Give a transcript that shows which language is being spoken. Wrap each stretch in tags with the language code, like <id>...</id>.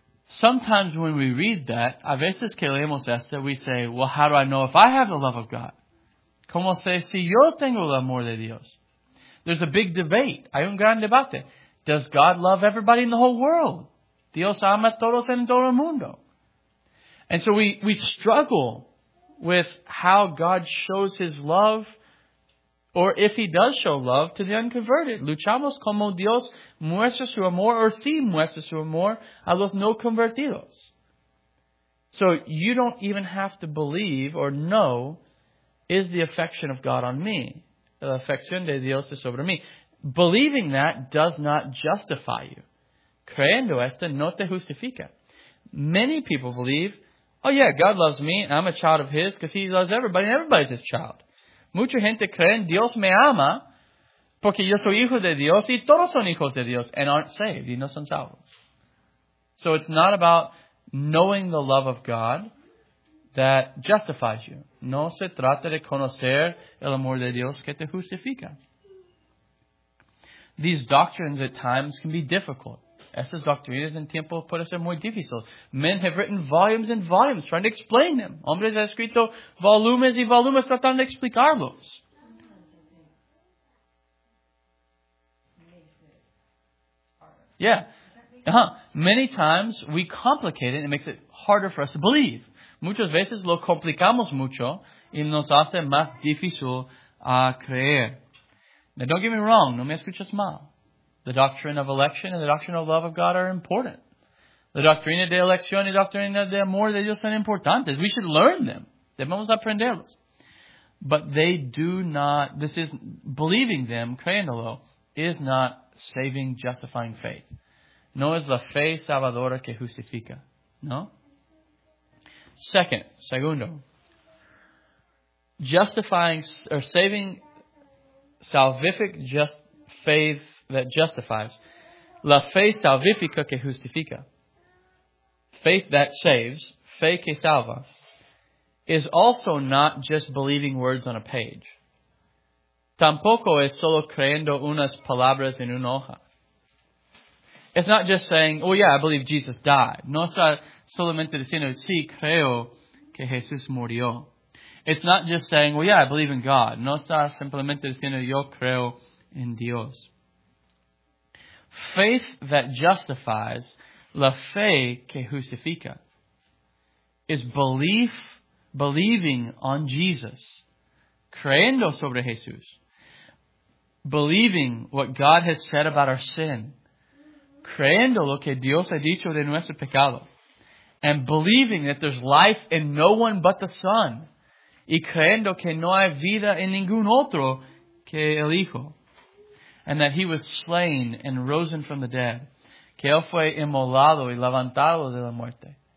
<en>Sometimes when we read that,</en> <es>a veces que leemos esto,</es> <en>we say, well, how do I know if I have the love of God?</en> <es>¿Cómo sé si yo tengo el amor de Dios?</es> <en>There's a big debate.</en> <es>Hay un gran debate.</es> <en>Does God love everybody in the whole world?</en> <es>Dios ama a todos en todo el mundo.</es> <en>And so we struggle with how God shows his love, or if he does show love to the unconverted.</en> <es>Luchamos como Dios muestra su amor, or si muestra su amor a los no convertidos.</es> <en>So you don't even have to believe or know, is the affection of God on me?</en> <es>La afección de Dios es sobre mí.</es> <en>Believing that does not justify you.</en> <es>Creyendo esto no te justifica.</es> <en>Many people believe, oh yeah, God loves me, I'm a child of his, because he loves everybody, and everybody's his child.</en> <es>Mucha gente cree en Dios me ama, porque yo soy hijo de Dios, y todos son hijos de Dios,</es> <en>and aren't saved,</en> <es>y no son salvos.</es> <en>So it's not about knowing the love of God that justifies you.</en> <es>No se trata de conocer el amor de Dios que te justifica.</es> <en>These doctrines at times can be difficult.</en> <es>Esas doctrinas en tiempo pueden ser muy difíciles.</es> <en>Men have written volumes and volumes trying to explain them.</en> <es>Hombres han escrito volumes y volumes tratando de explicarlos.</es> <en>Yeah. Uh-huh. Many times we complicate it and it makes it harder for us to believe.</en> <es>Muchas veces lo complicamos mucho y nos hace más difícil a creer.</es> <en>Now don't get me wrong,</en> <es>no me escuches mal.</es> <en>The doctrine of election and the doctrine of love of God are important.</en> <es>The doctrina de elección y doctrina de amor de Dios son importantes.</es> <en>We should learn them.</en> <es>Debemos aprenderlos.</es> <en>But they do not, this is, believing them, creyéndolo, is not saving, justifying faith.</en> <es>No es la fe salvadora que justifica. No?</es> <en>Segundo, justifying or saving salvific just faith that justifies.</en> <es>La fe salvifica que justifica.</es> <en>Faith that saves,</en> <es>fe que salva,</es> <en>is also not just believing words on a page.</en> <es>Tampoco es solo creyendo unas palabras en una hoja.</es> <en>It's not just saying, oh yeah, I believe Jesus died.</en> <es>No está solamente diciendo, sí, creo que Jesús murió.</es> <en>It's not just saying, well, yeah, I believe in God.</en> <es>No está simplemente diciendo, yo creo en Dios.</es> <en>Faith that justifies,</en> <es>la fe que justifica,</es> <en>is belief, believing on Jesus,</en> <es>creyendo sobre Jesús,</es> <en>believing what God has said about our sin,</en> <es>creyendo lo que Dios ha dicho de nuestro pecado,</es> <en>and believing that there's life in no one but the Son.</en> <es>y creyendo que no hay vida en ningún otro que el Hijo.</es> <en>And that he was slain and risen from the dead.</en> <es>Que él fue inmolado y levantado de la muerte.</es>